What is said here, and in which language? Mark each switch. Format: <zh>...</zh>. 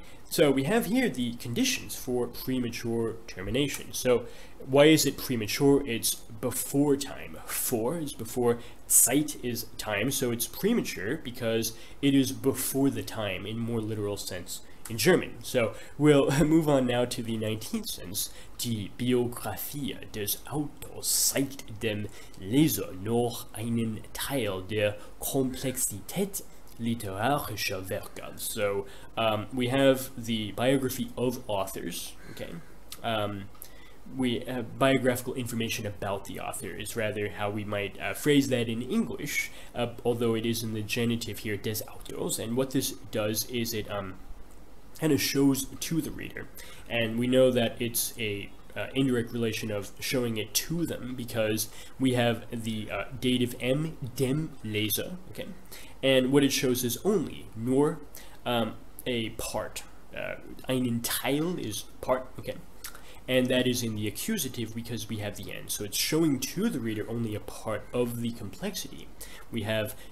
<en>So we have here the conditions for premature termination. So why is it premature? It's before time. Vor is before, Zeit is time, so it's premature because it is before the time in more literal sense in German. So we'll move on now to the 19th sentence.</en> <de>Die Biografie des Autors zeigt dem Leser nur einen Teil der Komplexität literarischer Werke.</de> <en>So we have the biography of authors, okay? We have biographical information about the author, is rather how we might phrase that in English, although it is in the genitive here, des Autors. And what this does is it kind of shows to the reader, and we know that it's a indirect relation of showing it to them, because we have the dative M, dem Leser, okay, and what it shows is only, nor a part, einen Teil is part, okay, and that is in the accusative because we have the N, so it's showing to the reader only a part of the complexity. We have</en>